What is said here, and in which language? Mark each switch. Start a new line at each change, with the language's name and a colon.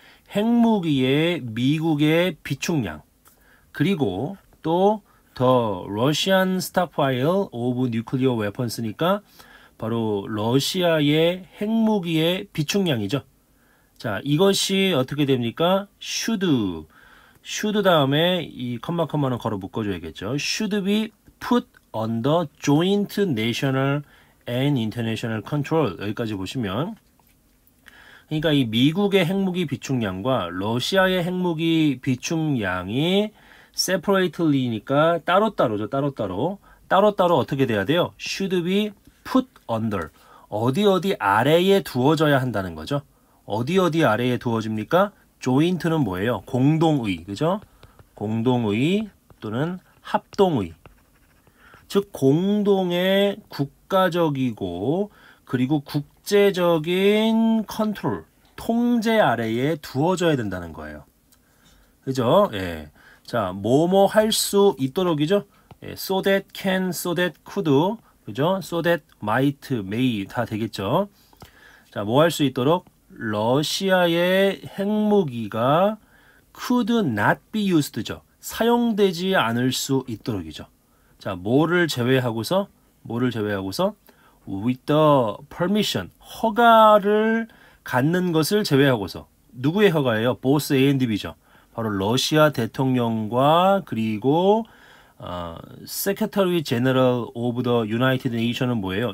Korean: 핵무기의 미국의 비축량. 그리고 또,
English: The Russian stockpile of nuclear weapons
Korean: 니까 바로 러시아의 핵무기의 비축량이죠. 자, 이것이 어떻게 됩니까? should 다음에 이 컴마컴마는 걸어 묶어줘야겠죠.
English: Should be put under joint national and international control.
Korean: 여기까지 보시면. 그러니까 이 미국의 핵무기 비축량과 러시아의 핵무기 비축량이 separately니까 따로따로죠. 따로따로. 따로따로 어떻게 돼야 돼요?
English: should be put under.
Korean: 어디어디 어디 아래에 두어져야 한다는 거죠. 어디어디 어디 아래에 두어집니까? joint는 뭐예요? 공동의. 그죠? 공동의 또는 합동의. 즉, 공동의 국가적이고, 그리고 국제적인 컨트롤, 통제 아래에 두어져야 된다는 거예요. 그죠? 예. 자, 뭐뭐 할수 있도록이죠?
English: 예, so that can, so that could,
Korean: 그죠?
English: so that might, may
Korean: 다 되겠죠? 자, 뭐할수 있도록? 러시아의 핵무기가
English: could not be used죠.
Korean: 사용되지 않을 수 있도록이죠. 자, 뭐를 제외하고서? 뭐를 제외하고서?
English: with the permission,
Korean: 허가를 갖는 것을 제외하고서. 누구의 허가예요?
English: both A and B죠.
Korean: 바로 러시아 대통령과 그리고 Secretary General of the United Nations은 뭐예요?